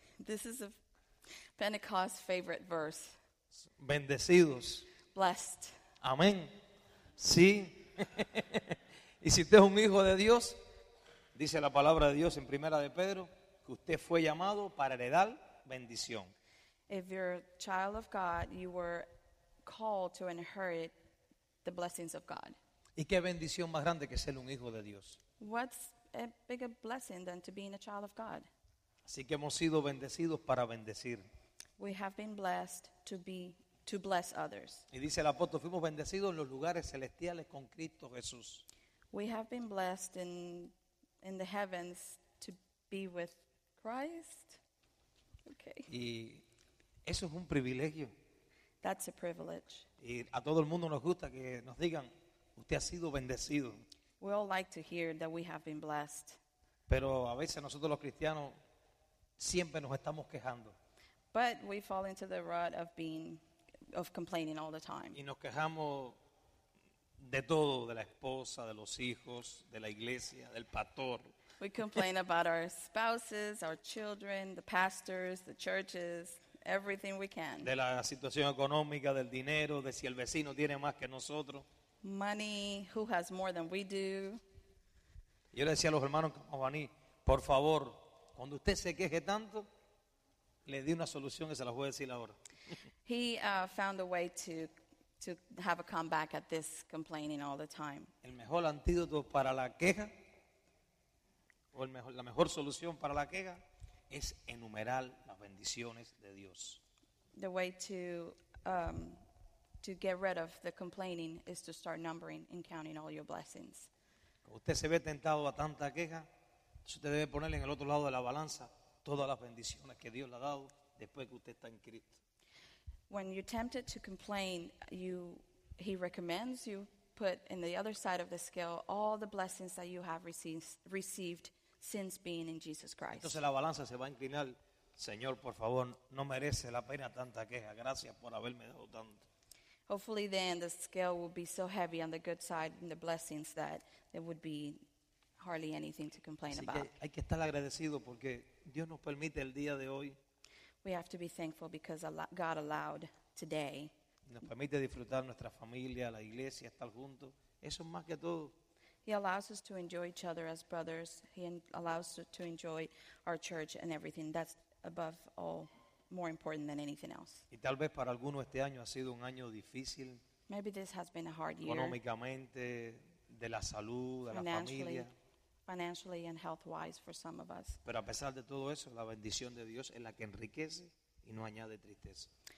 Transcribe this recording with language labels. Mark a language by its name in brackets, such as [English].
[English] This is a Pentecost favorite verse. [Spanish] Bendecidos. [English] Blessed. [Spanish] Amén. Sí. Y si usted es un hijo de Dios, dice la palabra de Dios en Primera de Pedro, que usted fue llamado para heredar bendición. [English] If you're a child of God, you were called to inherit the blessings of God. [Spanish] ¿Y qué bendición más grande que ser un hijo de Dios? [English] What's a bigger blessing than to be a child of God? [Spanish] Así que hemos sido bendecidos para bendecir. [English] We have been blessed to bless others. [Spanish] Y dice el apóstol, fuimos bendecidos en los lugares celestiales con Cristo Jesús. [English] We have been blessed in the heavens to be with Christ. Okay. [Spanish] Y eso es un privilegio. [English] That's a privilege. [Spanish] Y a todo el mundo nos gusta que nos digan, usted ha sido bendecido. [English] We all like to hear that we have been blessed. [Spanish] Pero a veces nosotros los cristianos siempre nos estamos quejando. [English] But we fall into the rut of being, of complaining all the time. [Spanish] Y nos quejamos de todo, de la esposa, de los hijos, de la iglesia, del pastor. [English] We complain about our spouses, our children, the pastors, the churches, everything we can. [Spanish] De la situación económica, del dinero, de si el vecino tiene más que nosotros. [English] Money, who has more than we do. [Spanish] Yo le decía a los hermanos en Camaguaní, por favor, cuando usted se queje tanto, le di una solución que se la voy a decir ahora. [English] He found a way to have a comeback at this complaining all the time. [Spanish] El mejor antídoto para la queja, o el mejor, la mejor solución para la queja, es enumerar las bendiciones de Dios. [English] The way to get rid of the complaining is to start numbering and counting all your blessings. [Spanish] Cuando usted se ve tentado a tanta queja, usted debe ponerle en el otro lado de la balanza todas las bendiciones que Dios le ha dado después que usted está en Cristo. [English] When you're tempted to complain, he recommends you put in the other side of the scale all the blessings that you have received since being in Jesus Christ. [Spanish] Entonces la balanza se va a inclinar, Señor, por favor, no merece la pena tanta queja. Gracias por haberme dado tanto. [English] Hopefully then the scale will be so heavy on the good side and the blessings that there would be hardly anything to complain [Spanish] así [English] about. [Spanish] Que hay que estar agradecido porque Dios nos permite el día de hoy. [English] We have to be thankful because God allowed today. [Spanish] Nos permite disfrutar nuestra familia, la iglesia, estar juntos. Eso es más que todo. [English] He allows us to enjoy each other as brothers. He allows us to enjoy our church and everything. That's above all, more important than anything else. [Spanish] Y tal vez para algunos este año ha sido un año difícil. [English] Maybe this has been a hard year. [Spanish] Económicamente, de la salud, de la familia. [English] Financially and health-wise for some of us. [Spanish] Pero a pesar de todo eso, la bendición de Dios es la que enriquece y no añade tristeza.